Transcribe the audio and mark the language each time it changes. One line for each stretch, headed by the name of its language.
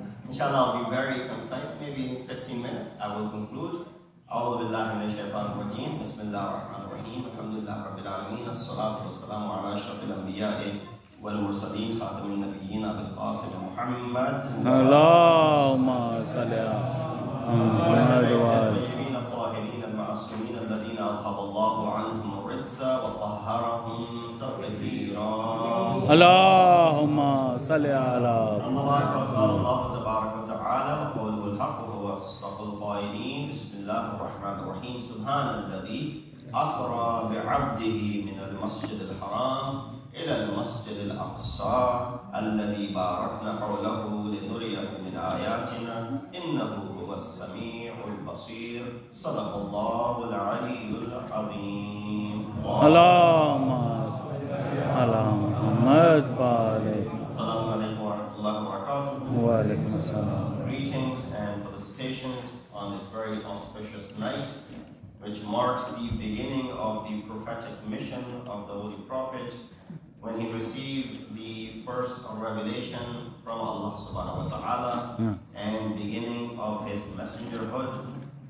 English: Inshallah, I'll be very concise. Maybe in 15 minutes, I will conclude.
Arabic: أعوذ بالله من الشيطان الرجيم. بسم الله الرحمن الرحيم. الحمد لله رب العالمين. الصلاة والسلام على أشرف الأنبياء والمرسلين خاتم النبيين أبي القاسم محمد اللهم صل على الطيبين الطاهرين المعصومين الذين أطهر الله عنهم الرجس وطهرهم تطهيرا اللهم صل على الله تبارك وتعالى وقوله الحق وهو أصدق القائلين بسم الله الرحمن الرحيم سبحان الذي أسرى بعبده من المسجد الحرام إلى المسجد الأقصى الذي باركنا حوله لنريه من آياتنا إنه هو السميع البصير صدق الله العلي العظيم اللهم على محمد وعلى السلام عليكم ورحمة الله وبركاته وعليكم السلام
English: greetings and felicitations on this very auspicious night which marks the beginning of the prophetic mission of the Holy Prophet when he received the first revelation from Allah subhanahu wa ta'ala and beginning of his messengerhood.